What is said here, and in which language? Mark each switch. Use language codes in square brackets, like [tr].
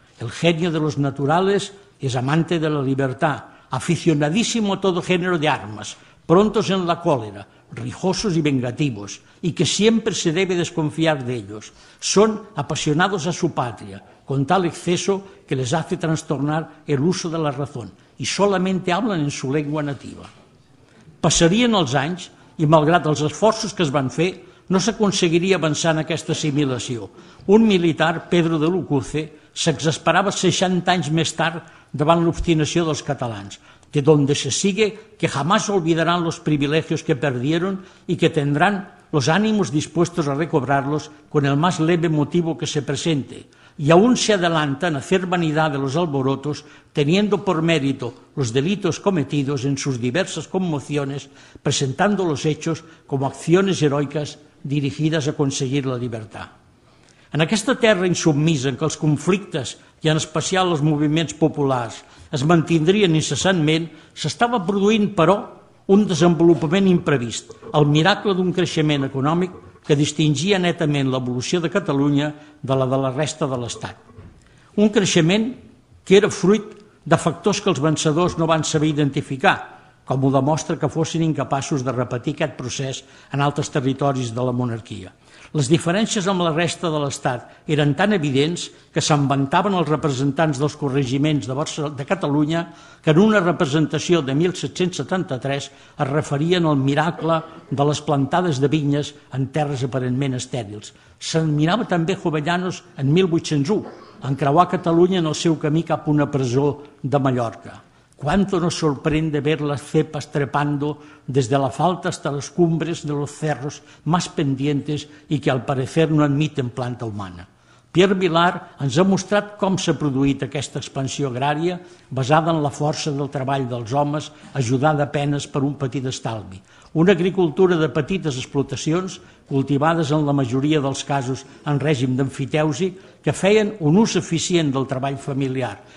[es] El genio de los naturales es amante de la libertad, aficionadísimo a todo género de armas, prontos en la cólera, rijosos y vengativos, y que siempre se debe desconfiar de ellos. Son apasionados a su patria, con tal exceso que les hace trastornar el uso de la razón, y solamente hablan en su lengua nativa. [ca] Passarien els anys, i malgrat els esforços que es van fer, no s'aconseguiria avançar en aquesta assimilació. Un militar, Pedro de Lucuce, s'exasperava 60 anys més tard davant l'obstinació dels catalans, [es] de donde se sigue que jamás olvidarán los privilegios que perdieron y que tendrán los ánimos dispuestos a recobrarlos con el más leve motivo que se presente. Y aún se adelanta en hacer vanidad de los alborotos, teniendo por mérito los delitos cometidos en sus diversas conmociones, presentando los hechos como acciones heroicas dirigidas a conseguir la libertad. [ca] En aquesta terra insubmisa en què els conflictes i en especial els moviments populars es mantindrien incessantment, s'estava produint, però, un desenvolupament imprevist, el miracle d'un creixement econòmic que distingia netament l'evolució de Catalunya de la de la resta de l'Estat. Un creixement que era fruit de factors que els vencedors no van saber identificar, com ho demostra que fossin incapaços de repetir aquest procés en altres territoris de la monarquia. Les diferències amb la resta de l'Estat eren tan evidents que s'inventaven els representants dels corregiments de Catalunya que en una representació de 1773 es referien al miracle de les plantades de vinyes en terres aparentment estèrils. S'admirava també Jovellanos en 1801, en creuar Catalunya en el seu camí cap a una presó de Mallorca. [es] ¿Cuánto nos sorprende ver las cepas trepando desde la falda hasta las cumbres de los cerros más pendientes y que al parecer no admiten planta humana? [ca] Pierre Vilar ens ha mostrat com s'ha produït aquesta expansió agrària basada en la força del treball dels homes ajudada apenas per un petit estalvi. Una agricultura de petites explotacions cultivades en la majoria dels casos en règim d'emfiteusi que feien un ús eficient del treball familiar.